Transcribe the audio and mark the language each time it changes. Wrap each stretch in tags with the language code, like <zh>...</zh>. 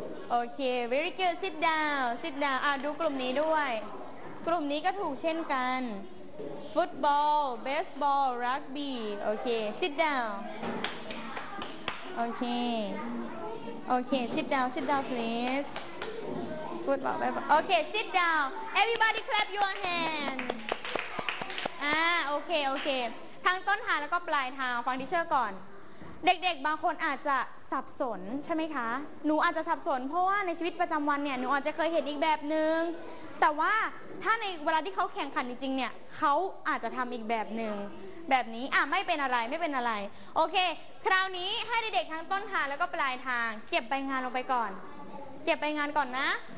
<th>โอเค</th> <en>very good sit down sit down</en> <th>ดูกลุ่มนี้ด้วยกลุ่มนี้ก็ถูกเช่นกัน football baseball rugby โอเค sit down โอเค</th> <en>sit down pleaseOkay, sit down. Everybody clap your hands.</en> <th>โอเคโอเคทางต้นทางแล้วก็ปลายทางฟังทีเชอร์ก่อน เด็กๆบางคนอาจจะสับสนใช่ไหมคะหนูอาจจะสับสนเพราะว่าในชีวิตประจำวันเนี่ยหนูอาจจะเคยเห็นอีกแบบนึงแต่ว่าถ้าในเวลาที่เขาแข่งขันจริงๆเนี่ยเขาอาจจะทำอีกแบบนึงแบบนี้อ่ะไม่เป็นอะไรไม่เป็นอะไรโอเคคราวนี้ให้เด็กๆทั้งต้นทางแล้วก็ปลายทางเก็บใบงานลงไปก่อนเก็บใบงานก่อนนะ</th>